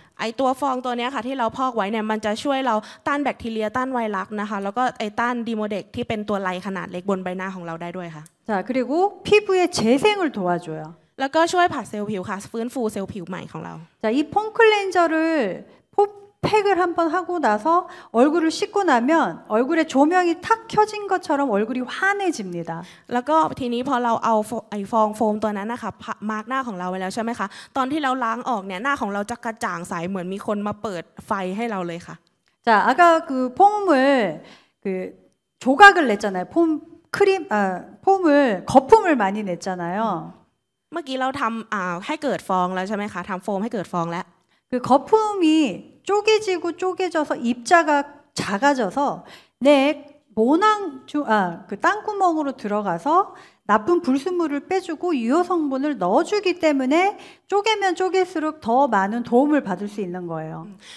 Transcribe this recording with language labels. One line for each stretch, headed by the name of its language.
Thai: ไอตัวฟองตัวนี้ค่ะที่เราพอกไว้เนี่ยมันจะช่วยเราต้านแบคทีเรียต้านไวรัสนะคะแล้วก็ไอต้านดีโมเด็กที่เป็นตัวไรขนาดเล็กบนใบหน้าของเราได้ด้วยค่ะ
Korean: จ้ะ그리고피부의재생을도와줘요
Thai: แล้วก็ช่วยผัดเซลล์ผิวค่ะฟื้นฟูเซลล์ผิวใหม่ของเรา จ้ะอีโฟมคลีนเซอร์를
Korean: 팩을 한번 하고 나서 얼굴을 씻고 나면 얼굴에 조명이 탁 켜진 것처럼 얼굴이 환해집니다.
Thai: แล้วก็ทีนี้พอเราเอาไอ้ฟองโฟมตัวนั้นนะคะมาร์กหน้าของเราไว้แล้วใช่ไหมคะตอนที่เราล้างออกเนี่ยหน้าของเราจะกระจ่างใสเหมือนมีคนมาเปิดไฟให้เราเลยค่ะ.
Korean: 자, 아까 그 폼을 그 조각을 냈잖아요. 폼 크림 아, 폼을 거품을 많이 냈잖아요.
Thai: เมื่อกี้เราทำให้เกิดฟองแล้วใช่ไหมคะทำโฟมให้เกิดฟองแล้ว
Korean: คือ 거품이 쪼개지고 쪼개져서 입자가 작아져서 내 모낭 중 아 그 땅구멍으로 들어가서 나쁜 불순물을 빼주고 유효 성분을 넣어주기 때문에 쪼개면 쪼갤수록 더 많은 도움을 받을 수 있는 거예요.